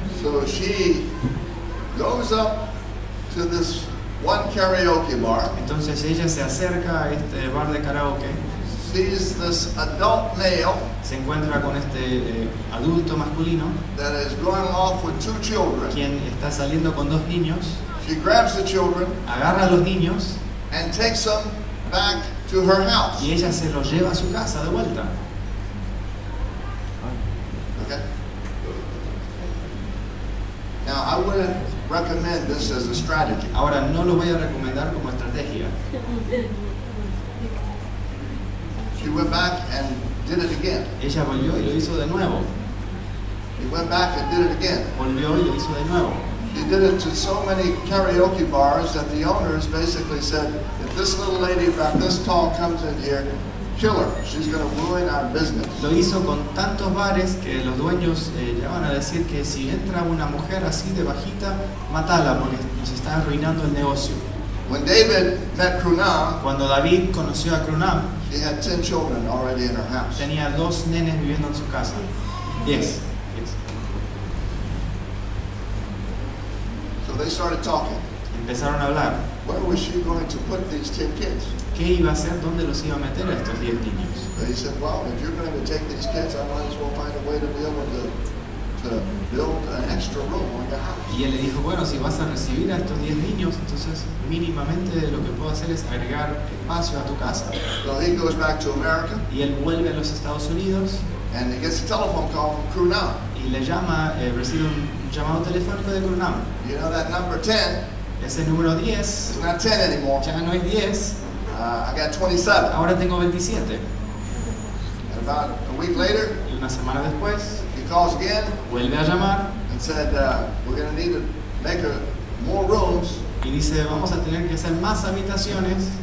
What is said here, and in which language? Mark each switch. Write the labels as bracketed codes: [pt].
[en] So she goes up to this one karaoke bar. [es] Entonces ella se acerca a este bar de karaoke. [en] Sees this adult male. [es] Se encuentra con este adulto masculino. [en] That is going off with two children. [es] Quien está saliendo con dos niños. [en] She grabs the children. [es] Agarra a los niños. [en] And takes them back to her house. [es] Y ella se los lleva a su casa de vuelta. [en] Now I wouldn't recommend this as a strategy. [es] Ahora no lo voy a recomendar como estrategia. [en] She went back and did it again. [es] Ella volvió y lo hizo de nuevo. [en] She went back and did it again. [es] Volvió y lo hizo de nuevo. [en] She did it to so many karaoke bars that the owners basically said, if this little lady about this tall comes in here, kill her. She's going to ruin our business. [es] Lo hizo con tantos bares que los dueños llegaban a decir que si entra una mujer así de bajita, matala porque nos está arruinando el negocio. [en] When David met Krunal, [es] cuando David conoció a Krunal, [en] he had 10 children already in her house. [es] Tenía dos nenes viviendo en su casa. [en] Yes. Yes. So they started talking. [es] Empezaron a hablar. [en] Where was she going to put these 10 kids? [es] ¿Qué iba a hacer? ¿Dónde los iba a meter a estos 10 niños? [en] He said, well, if you're going to take these kids, I might as well find a way to be able to build an extra room on the house. [es] Y él le dijo, bueno, si vas a recibir a estos 10 niños, entonces mínimamente lo que puedo hacer es agregar espacio a tu casa. [en] So he goes back to America. [es] Y él vuelve a los Estados Unidos. [en] And he gets a telephone call from Krunal. [es] Y le llama, recibe un llamado telefónico de Krunal. [en] You know that number 10? [es] Ese número 10. [en] It's not 10 anymore. [es] Ya no es 10. [en] I got 27. [es] Ahora tengo 27. [en] And about a week later, [es] y una semana después, [en] he calls again. [es] Vuelve a llamar. [en] And said, we're going to need to make more rooms. [es] Y dice, vamos a tener que hacer más habitaciones.